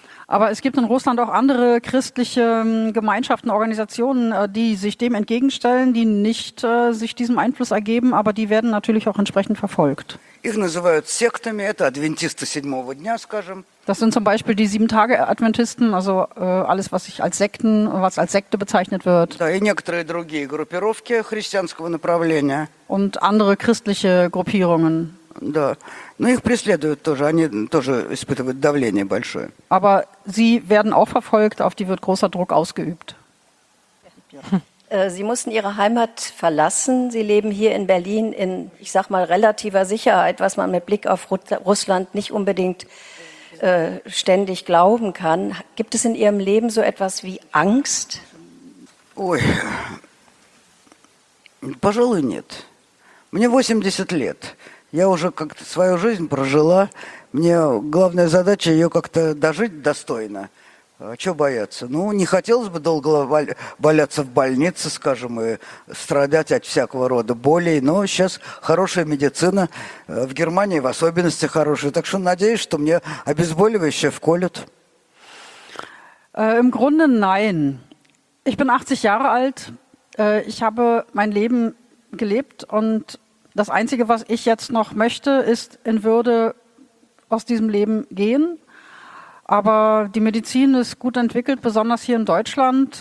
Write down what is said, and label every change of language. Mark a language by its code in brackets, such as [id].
[de] Aber es gibt in Russland auch andere christliche Gemeinschaften, Organisationen, die sich dem entgegenstellen, die nicht sich diesem Einfluss ergeben, aber die werden natürlich auch entsprechend verfolgt. [ru] Их называют сектами, это адвентисты седьмого дня, скажем. [de] Das sind zum Beispiel die Sieben-Tage-Adventisten, also alles, was als Sekte bezeichnet wird. [ru] Да, и некоторые другие группировки христианского направления. [de] Und andere christliche Gruppierungen. [ru] Да, но их преследуют тоже, они тоже испытывают давление большое. [de] Aber sie werden auch verfolgt, auf die wird großer Druck ausgeübt. Sie mussten Ihre Heimat verlassen. Sie leben hier in Berlin in, ich sag mal, relativer Sicherheit, was man mit Blick auf Russland nicht unbedingt ständig glauben kann. Gibt es in Ihrem Leben so etwas wie Angst? [ru] Ой, пожалуй, нет. Мне 80 лет. Я уже как-то свою жизнь прожила. Мне главная задача ее как-то дожить достойно. Чего бояться? Ну, не хотелось бы долго валяться в больнице, скажем, и страдать от всякого рода болей, но сейчас хорошая медицина, в Германии в особенности хорошая, так что надеюсь, что мне обезболивающее вколют. [de] Im Grunde nein. Ich bin 80 Jahre alt. Ich habe mein Leben gelebt und das Einzige, was ich jetzt noch möchte, ist in Würde aus diesem Leben gehen. Aber die Medizin ist gut entwickelt, besonders hier in Deutschland.